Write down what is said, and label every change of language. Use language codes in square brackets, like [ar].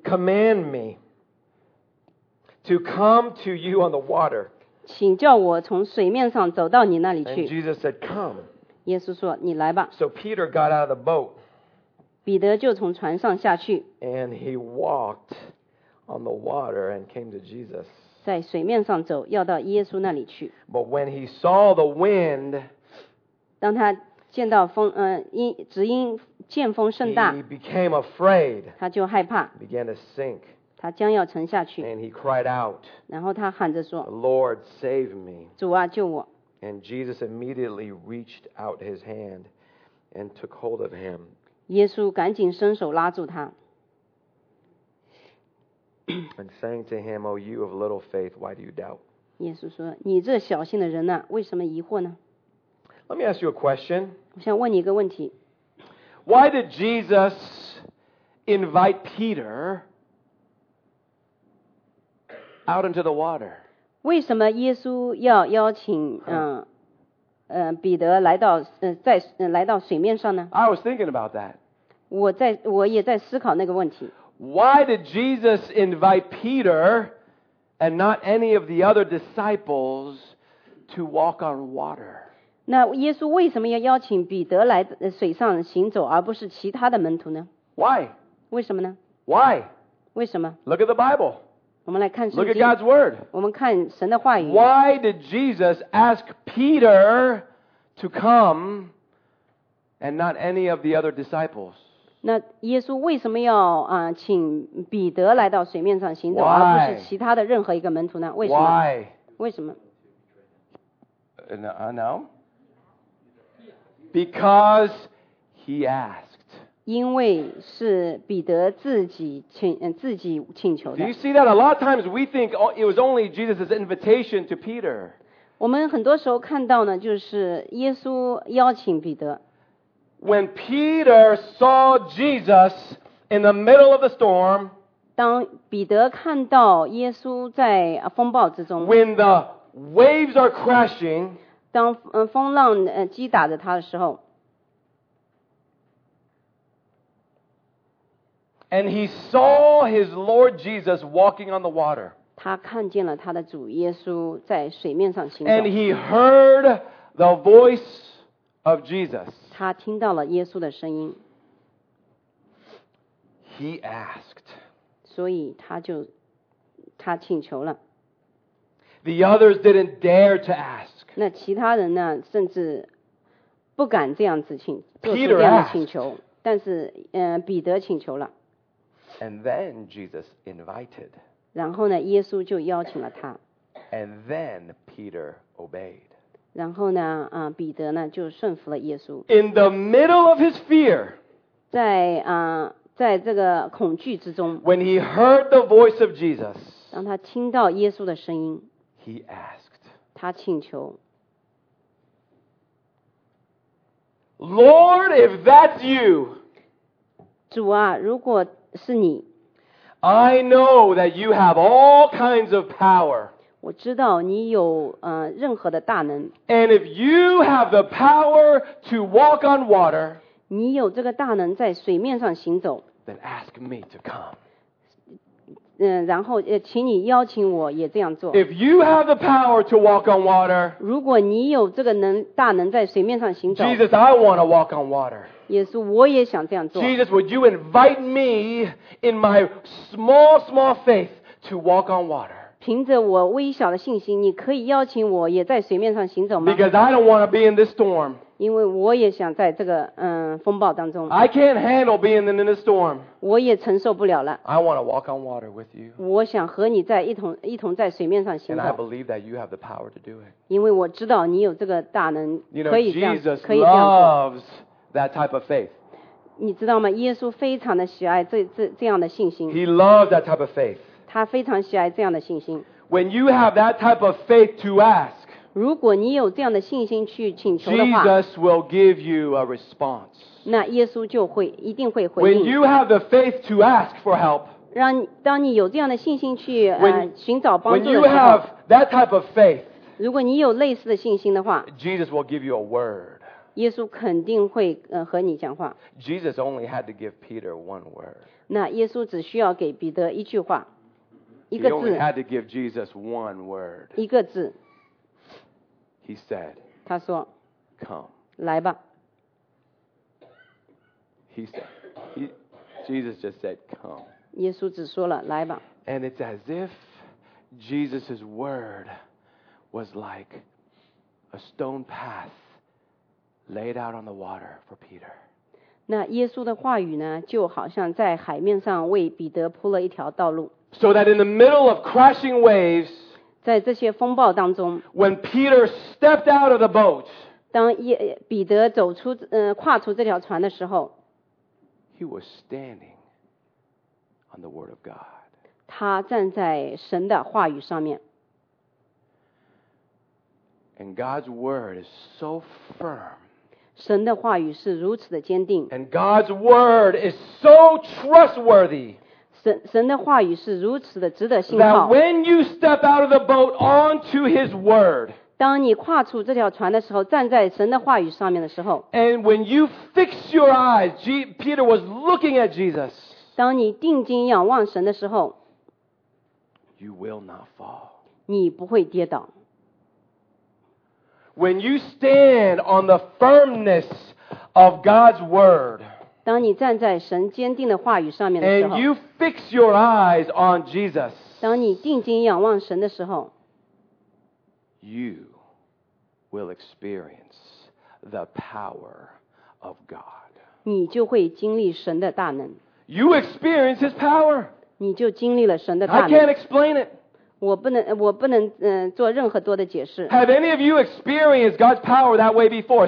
[en] ，command me to come to you on the water. [zh] 请叫我从水面上走到你那里去。 [en] And Jesus said, Come. [zh] 耶稣说你来吧。 [en] So Peter got out of the boat. [zh] 彼得就从船上下去。 [en] And he walked on the water and came to Jesus. [zh] 在水面上走要到耶稣那里去。 [en] But when he saw the wind, [zh] 当他见到风只因见风甚大， [en] he became afraid. [zh] 他就害怕。 [en] Began to sink. [zh] 他将要沉下去。 [en] And he cried out. [zh] 然后他喊着说， [en] Lord, save me. [zh] 主啊救我。 [en] And Jesus immediately reached out his hand and took hold of him. [zh] 耶稣赶紧伸手拉住他。 [en] And saying to him, O you of little faith, why do you doubt? [zh] 耶稣说，你这小信的人啊，为什么疑惑呢？ [en] Let me ask you a question. [zh] 我想问你一个问题。 [en] Why did Jesus invite Peter out into the water? [zh] 为什么耶稣要邀请彼得来到水面上呢？ [en] I was thinking about that. [zh] 我也在思考那个问题。 [en] Why did Jesus invite Peter and not any of the other disciples to walk on water? [zh] 那耶稣为什么要邀请彼得来水上行走，而不是其他的门徒呢？ [en] Why? [zh] 为什么呢？ [en] Why? [zh] 为什么 [en] Look at the Bible. [zh] 我们来看圣经 [en] Look at God's word. [zh] 我们看神的话语 [en] Why did Jesus ask Peter to come and not any of the other disciples? [zh] 那耶稣为什么要、请彼得来到水面上行走 [en] Why? [zh] 而不是其他的任何一个门徒呢为什么 [en] Why? [zh] 为什么 [en] No. Because he asked. [zh] 因为是彼得自己请求的。 [en] Do you see that? A lot of times we think it was only Jesus' invitation to Peter. [zh] 我们很多时候看到呢，就是耶稣邀请彼得。 [en] When Peter saw Jesus in the middle of the storm, [zh] 当彼得看到耶稣在风暴之中。 [en] When the waves are crashing, [zh] 当、风浪、击打着他的时候 [en] and he saw his Lord Jesus walking on the water, [zh] 他看见了他的主耶稣在水面上行走 [en] and he heard the voice of Jesus, [zh] 他听到了耶稣的声音 [en] he asked, [zh] 所以他请求了 [en] The others didn't dare to ask. [zh] 那其他人呢，甚至不敢这样子请，做出这样的请求。但是，彼得请求了。 [en] And then Jesus invited. [zh] 然后呢，耶稣就邀请了他。 [en] And then Peter obeyed. [zh] 然后呢，彼得呢就顺服了耶稣。 [en] In the middle of his fear. [zh] 在这个恐惧之中。 [en] When he heard the voice of Jesus. [zh] 当他听到耶稣的声音。 [en] He asked. [zh] 他请求。 [en] Lord, if that's you. [zh] 主啊，如果是你。 [en] I know that you have all kinds of power. [zh] 我知道你有任何的大能。 [en] And if you have the power to walk on water. [zh] 你有这个大能在水面上行走。 [en] Then ask me to come. [zh] 然后请你邀请我也这样做。 [en] If you have the power to walk on water, [zh] 如果你有这个大能在水面上行走。 [en] Jesus, I want to walk on water. [zh] 耶稣，我也想这样做。 [en] Jesus, would you invite me in my small, small faith to walk on water? [zh] 凭着我微小的信心，你可以邀请我也在水面上行走吗？ [en] Because I don't want to be in this storm. [zh] 因为我也想在这个风暴当中。 [en] I can't handle being in this storm. [zh] 我也承受不了了。 [en] I want to walk on water with you. [zh] 我想和你在一同在水面上行走。 [en] And I believe that you have the power to do it. [zh] 因为我知道你有这个大能，可以这样，可以这样做。 [en] Jesus loves that type of faith. [zh] 你知道吗？耶稣非常的喜爱这样的信心。 [en] He loves that type of faith. [zh] 他非常喜爱这样的信心。 [en] When you have that type of faith to ask. [zh] 如果你有这样的信心去请求的话 [en] Jesus will give you a response. [zh] 那耶稣就会一定会回应 [en] When you have the faith to ask for help, [zh] 当你有这样的信心去寻找帮助的时候 [en] When you have that type of faith, [zh] 如果你有类似的信心的话 [en] Jesus will give you a word. [zh] 耶稣肯定会和你讲话 [en] Jesus only had to give Peter one word. [zh] 那耶稣只需要给彼得一句话一个字 [en] He only had to give Jesus one word. [zh] 一个字 [en] He said, [zh] 他说 [en] come. [zh] 来吧。 [en] He said, Jesus just said, come. [zh] 耶稣只说了来吧。 [en] And it's as if Jesus' word was like a stone path laid out on the water for Peter. [zh] 那耶稣的话语呢就好像在海面上为彼得铺了一条道路。 [en] So that in the middle of crashing waves, [zh] 在这些风暴当中 [en] When Peter stepped out of the boat, [zh] 当彼得走出跨出这条船的时候 [en] He was standing on the word of God. [zh] 他站在神的话语上面 [en] And God's word is so firm. [zh] 神的话语是如此的坚定 [en] And God's word is so trustworthy. [zh] 神的话语是如此的值得信靠。 [en] That when you step out of the boat onto His word, [zh] 当你跨出这条船的时候，站在神的话语上面的时候 [en] ，and when you fix your eyes, Peter was looking at Jesus. [zh] 当你定睛仰望神的时候 [en] ，you will not fall. [zh] 你不会跌倒。 [en] When you stand on the firmness of God's word. [zh] 当你站在神坚定的话语上面的时候 [en] and you fix your eyes on Jesus, [zh] 当你定睛仰望神的时候 [en] you will experience the power of God. [zh] 你就会经历神的大能。 [en] You experience His power. [zh] 你就经历了神的大能。 [en] I can't explain it. [zh] 我不能做任何多的解释。 [en] Have any of you experienced God's power that way before?